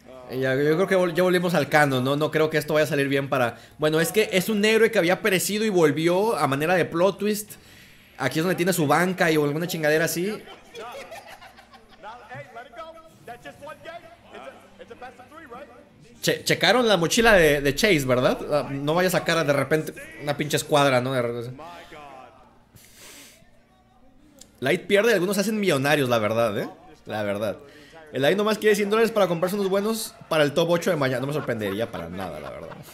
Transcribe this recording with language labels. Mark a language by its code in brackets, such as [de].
[es] Yo creo que ya volvimos al canon, ¿no? No creo que esto vaya a salir bien para... Bueno, es que es un héroe que había perecido y volvió a manera de plot twist. Aquí es donde tiene su banca y alguna chingadera así. [en] Hey, let it go. That's just one game. It's a best of three, right? [es] Checaron la mochila de Chase, ¿verdad? No vaya a sacar de repente una pinche escuadra, ¿no? Light pierde y algunos se hacen millonarios, la verdad, ¿eh? La verdad. El Light nomás quiere $100 para comprarse unos buenos para el top 8 de mañana. No me sorprendería para nada, la verdad.